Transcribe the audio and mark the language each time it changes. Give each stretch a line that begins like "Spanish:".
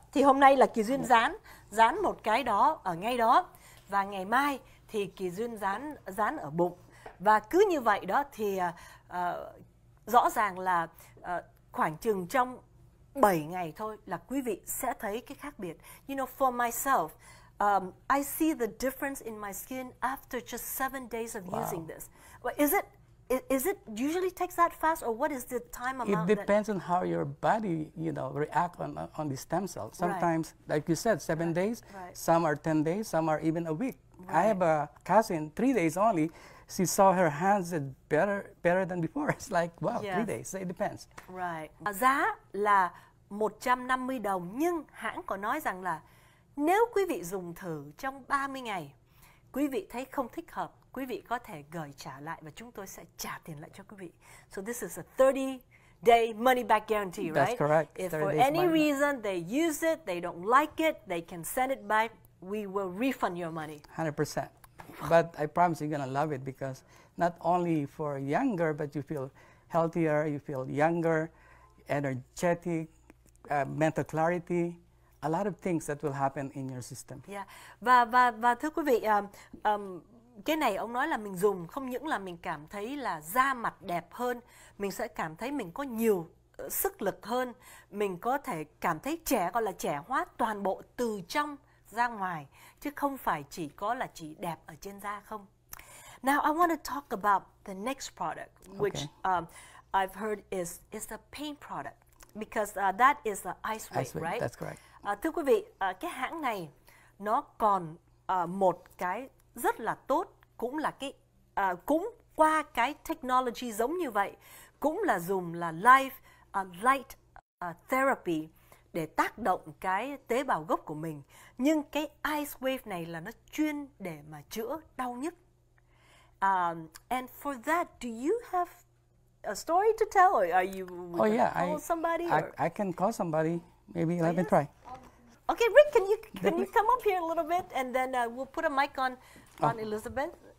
Vietnamese: Thì hôm nay là Kỳ Duyên dán một cái đó ở ngay đó. Và ngày mai thì Kỳ Duyên dán ở bụng. Và cứ như vậy đó thì rõ ràng là khoảng chừng trong 7 ngày thôi là quý vị sẽ thấy cái khác biệt.
English: You know, for myself, I see the difference in my skin after just 7 days of using this. Well, is it usually takes that fast, or what is the time amount? It depends on how your body, you know, react on the stem cell. Sometimes, right. Like you said, 7 right. days, right. Some are 10 days, some are even a week. Right. I have a cousin, 3 days only. She saw her hands better than before. It's like, wow, yes. 3 days. So it depends. Right.
Vietnamese: Giá là 150 đồng, nhưng hãng có nói rằng là nếu quý vị dùng thử trong 30 ngày, quý vị thấy không thích hợp, quý vị có thể gửi trả lại và chúng tôi sẽ trả tiền lại cho quý vị.
English: So this is a 30-day money-back guarantee, right? That's correct. If for any reason they use it, they don't like it, they can send it back, we will refund your money. 100%. But I promise you're going to love it, because not only for younger, but you feel healthier, you feel younger, energetic, mental clarity, a lot of things that will happen in your system. Yeah.
Vietnamese: Và thưa quý vị, cái này ông nói là mình dùng không những là mình cảm thấy là da mặt đẹp hơn, mình sẽ cảm thấy mình có nhiều sức lực hơn, mình có thể cảm thấy trẻ, gọi là trẻ hóa toàn bộ từ trong ra ngoài, chứ không phải chỉ có là chỉ đẹp ở trên da không.
English: Now I want to talk about the next product, which I've heard is a pain product, because that is the Ice Wave, right? That's correct.
Vietnamese: Thưa quý vị, cái hãng này nó còn một cái rất là tốt, cũng là cái cũng qua cái technology giống như vậy, cũng là dùng là light therapy để tác động cái tế bào gốc của mình. Nhưng cái Ice Wave này là nó chuyên để mà chữa đau nhức.
English: And for that, do you have a story to tell, or are you call somebody? I can call somebody. Maybe let me try. Okay, Rick, can you come up here a little bit, and then we'll put a mic on Elizabeth.